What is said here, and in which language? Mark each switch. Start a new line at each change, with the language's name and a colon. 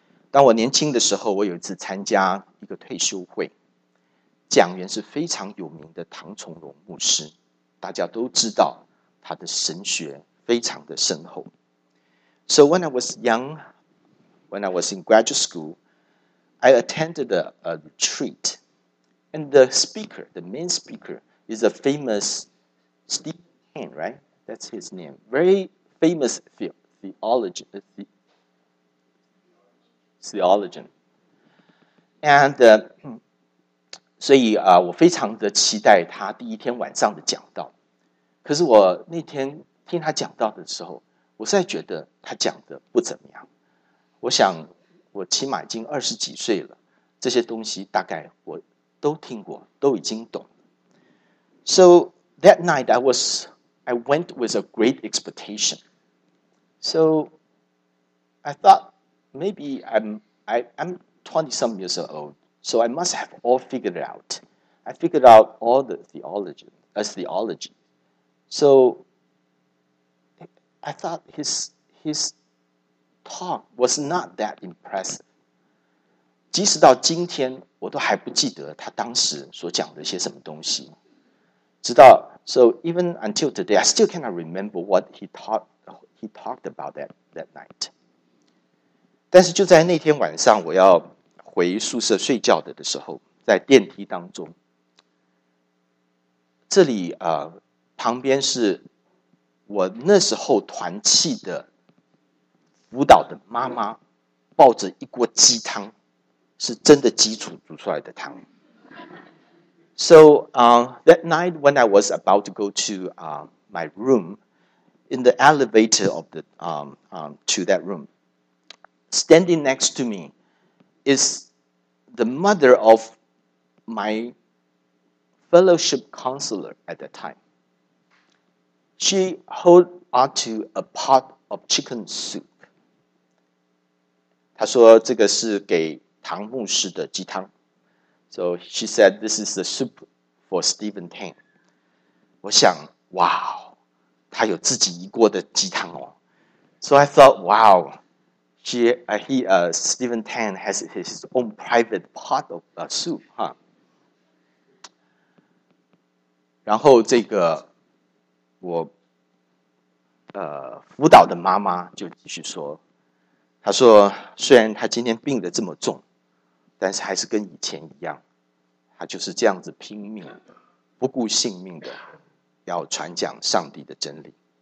Chinese: 当我年轻的时候，我有一次参加一个退休会，讲员是非常有名的唐崇荣牧师，大家都知道他的神学非常的深厚。
English: So when I was young, when I was in graduate schoolI attended a retreat, and the speaker, the main speaker, is a famous Stephen Kane, right? That's his name. Very famous theologian.
Chinese: And 所以我非常的期待他第一天晚上的讲道。可是我那天听他讲道的时候，我实在觉得他讲的不怎么样。我想。我起码已经20几岁了，这些东西大概我都听过，都已经懂。
English: So that night I went with a great expectation. So I thought maybe I'm 20-some years old, so I must have all figured it out. I figured out all the theology. So I thought his talk was not that impressive.
Chinese: 即使到今天，我都还不记得他当时所讲的些什么东西。直到
English: So even until today, I still cannot remember what he talked about that night.
Chinese: 但是就在那天晚上，我要回宿舍睡觉的时候，在电梯当中，这里旁边是我那时候团契的。舞蹈的妈妈抱着一锅鸡汤，是真的鸡煮出来的汤。
English: So, that night when I was about to go to my room, in the elevator of the to that room, standing next to me is the mother of my fellowship counselor at that time. She held onto a pot of chicken soup.
Chinese: 她说这个是给唐牧师的鸡汤。
English: So she said, this is the soup for Stephen Tang.
Chinese: 我想，哇，他有自己一锅的鸡汤哦。
English: So I thought, wow, Stephen Tang has his own private pot of soup, huh?
Chinese: 然后这个我辅导的妈妈就继续说，她说虽然她今天病得这么重，但是还是跟以前一样，她就是这样子拼命，不顾性命的要传讲上帝的真理。